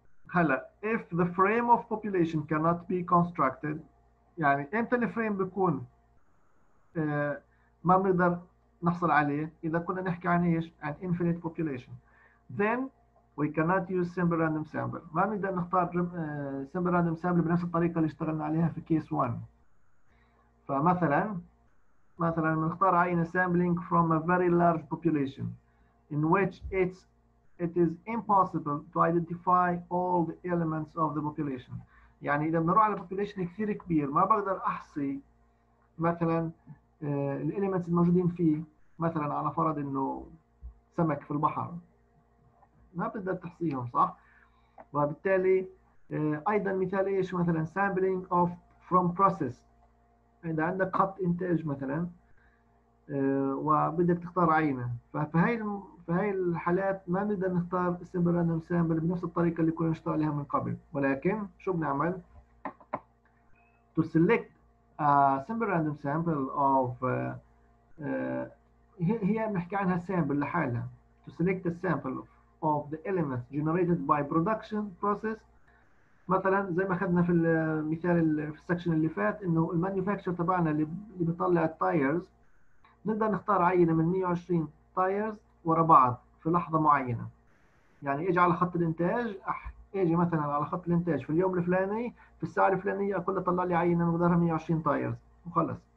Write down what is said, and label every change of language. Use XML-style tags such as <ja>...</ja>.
<ar>هلا</ar> <en>if the frame of population cannot be constructed،</en> <ar>يعني امتى الفريم بيكون ما بنقدر نحصل عليه اذا كنا نحكي عن ايش؟ عن</ar> <en>infinite population. Then we cannot use simple random sample.</en> <ar>ما بنقدر نختار</ar> <en>simple random sample</en> <ar>بنفس الطريقة اللي اشتغلنا عليها في case 1. فمثلا مثلا بنختار عينة</ar> <en>sampling from a very large population in which it is impossible to identify all the elements of the population.</en> <ar>يعني إذا بنروح على population كثير كبير ما بقدر أحصي مثلا الإليمنتس الموجودين فيه، مثلا على فرض إنه سمك في البحر ما بتقدر تحصيهم صح؟ وبالتالي أيضا مثال إيش مثلا</ar> <en>sampling of from process.</en> <ar>إذا عندك خط إنتاج مثلا وبدك تختار عينة، فهي الحالات ما بنقدر نختار</ar> <en>simple random sample</en> <ar>بنفس الطريقة اللي كنا نشتغل عليها من قبل. ولكن شو بنعمل؟</ar> <en>To select a simple random sample of</en> <ar>هي بنحكي عنها</ar> <en>sample</en> <ar>لحالها.</ar> <en>To select a sample of the elements generated by production process.</en> <ar>مثلا زي ما اخذنا في المثال في السكشن اللي فات انه المانيفاكتشر تبعنا اللي بيطلع التايرز، نقدر نختار عينه من 120 تايرز ورا بعض في لحظه معينه. يعني اجي على خط الانتاج، اجي مثلا على خط الانتاج في اليوم الفلاني في الساعه الفلانيه اقول له طلع لي عينه مقدارها 120 تايرز وخلص.</ar>